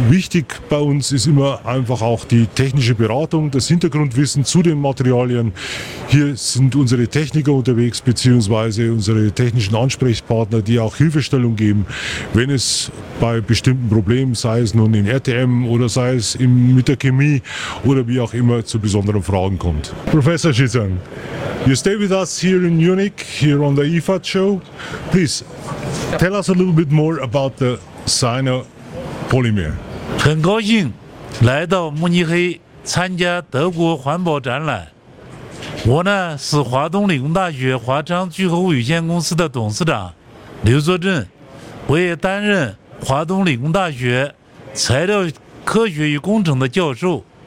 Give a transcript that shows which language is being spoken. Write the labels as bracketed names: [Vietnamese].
[German] Wichtig bei uns ist immer einfach auch die technische Beratung, das Hintergrundwissen zu den Materialien. Hier sind unsere Techniker unterwegs, beziehungsweise unsere technischen Ansprechpartner, die auch Hilfestellung geben, wenn es bei bestimmten Problemen, sei es nun im RTM oder sei es mit der Chemie oder wie auch immer, zu besonderen Fragen kommt. [English] Professor Schizan, you stay with us here in Munich, here on the IFAD show. Please, tell us a little bit more about the Sino Polymer. [Chinese] 很高兴来到慕尼黑参加德国环保展览。我呢是华东理工大学华昌聚合物有限公司的董事长刘作正，我也担任华东理工大学材料科学与工程的教授。